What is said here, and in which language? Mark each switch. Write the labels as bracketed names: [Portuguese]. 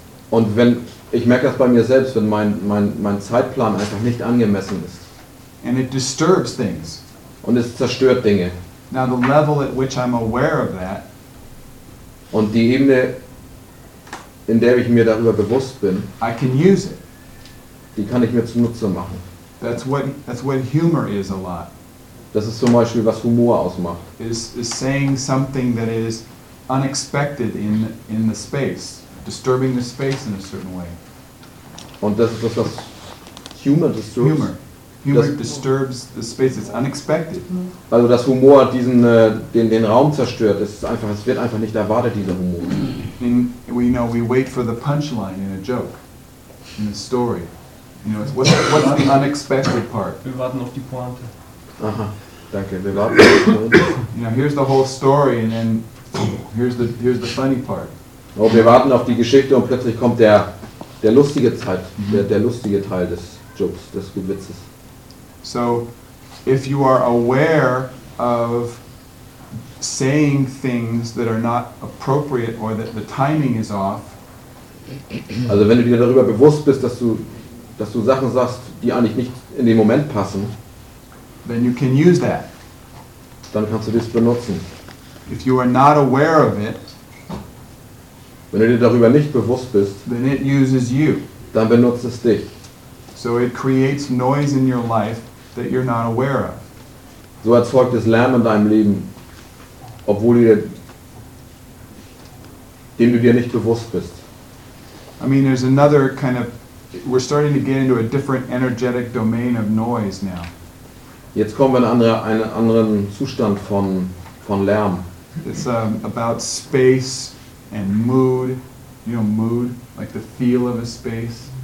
[German] Und wenn ich merke das bei mir selbst, wenn mein Zeitplan einfach nicht angemessen ist. [English] And it disturbs things. [German] Und es zerstört Dinge. [English] Now the level at which I'm aware of that. [German] Und die Ebene, in der ich mir darüber bewusst bin. [English] I can use it. [German] Die kann ich mir zunutze machen. [English] That's what humor is a lot. [German] Das ist zum Beispiel, was Humor ausmacht. [English] Is saying something that is unexpected in the space, disturbing the space in a certain way. [German] Und das ist das, was Humor disturbs. [English] Humor disturbs the space. It's unexpected. [German] Also das Humor diesen den Raum zerstört. Es ist einfach, es wird einfach nicht erwartet, dieser Humor. [English] We wait for the punchline in a joke, in a story. You know, what's the unexpected part? [German] Wir warten auf die Pointe. Aha, danke. Wir warten. [English] You know, here's the whole story, and then here's the funny part. [German] Oh, wir warten auf die Geschichte und plötzlich kommt der lustige Teil, der lustige Teil des Jokes, des Witzes. [English] So, if you are aware of saying things that are not appropriate or that the timing is off. [German] Also, wenn du dir darüber bewusst bist, dass du Sachen sagst, die eigentlich nicht in den Moment passen. [English] Then you can use that. [German] Dann kannst du das benutzen. [English] If you are not aware of it, [German] wenn du dir darüber nicht bewusst bist, [English] then it uses you. [German] Dann benutzt es dich. [English] So it creates noise in your life that you're not aware of. [German] So erzeugt es Lärm in deinem Leben, obwohl dem du dir nicht bewusst bist. [English] I mean, there's another kind of. We're starting to get into a different energetic domain of noise now. [German] Jetzt kommen wir in einen anderen Zustand von Lärm. [English] It's about space and mood, you know, mood, like the feel of a space.